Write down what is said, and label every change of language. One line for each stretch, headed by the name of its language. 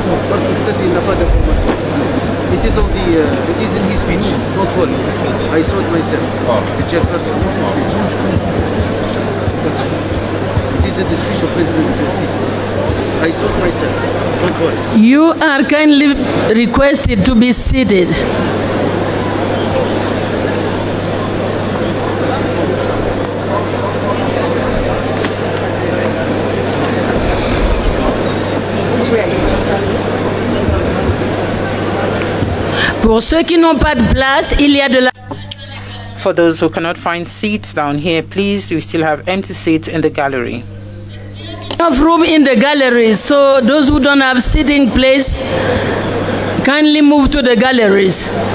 French: Parce que peut-être il n'a pas d'information.
English: It is on the, it is in his speech, not for his speech. I saw it myself. The chairperson of the speech. It is in the speech of President Sisi. I saw it myself. Don't worry. You are kindly requested to be seated.
French: Pour ceux qui n'ont pas de place, il y a de la...
English: For those who cannot find seats down here, please, we still have empty seats in the gallery. We have room in the gallery, so those who don't have sitting place, kindly move to the galleries.